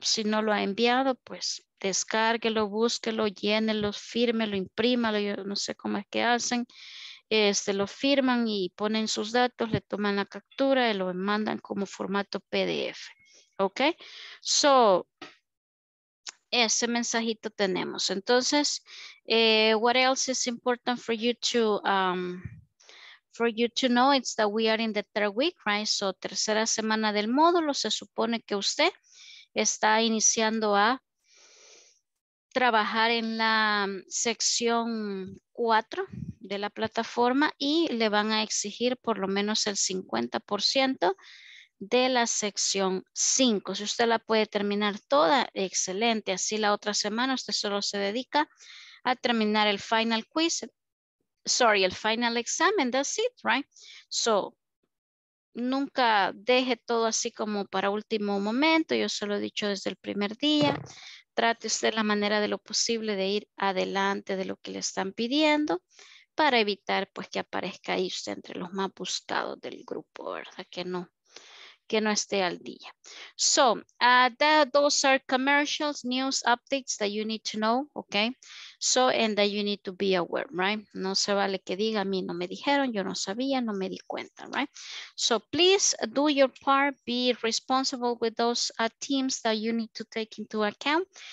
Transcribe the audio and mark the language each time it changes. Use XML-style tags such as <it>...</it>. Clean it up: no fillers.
<es>Si no lo ha enviado, pues descárguelo, búsquelo, llénelo, fírmelo, imprímalo, yo no sé cómo es que hacen, lo firman y ponen sus datos, le toman la captura y lo mandan como formato PDF, ¿ok? So, ese mensajito tenemos. Entonces,</es> <en>what else is important for you to know is that we are in the third week, right?</en> <es>So, tercera semana del módulo, se supone que usted está iniciando a trabajar en la sección 4 de la plataforma y le van a exigir por lo menos el 50% de la sección 5. Si usted la puede terminar toda, excelente. Así la otra semana usted solo se dedica a terminar el final quiz.</es> <en>Sorry,</en> <es>el final examen,</es> <en>that's it, right?</en> <es>So, nunca deje todo así como para último momento. Yo se lo he dicho desde el primer día. Trate usted la manera de lo posible de ir adelante de lo que le están pidiendo, para evitar pues que aparezca ahí usted entre los más buscados del grupo, ¿verdad? Que no esté al día.</es> <en>So, those are commercials, news updates that you need to know, okay? So, and that you need to be aware, right?</en> <es>No se vale que diga, a mí no me dijeron, yo no sabía, no me di cuenta,</es> <en>right? So, please do your part, be responsible with those teams that you need to take into account.</en>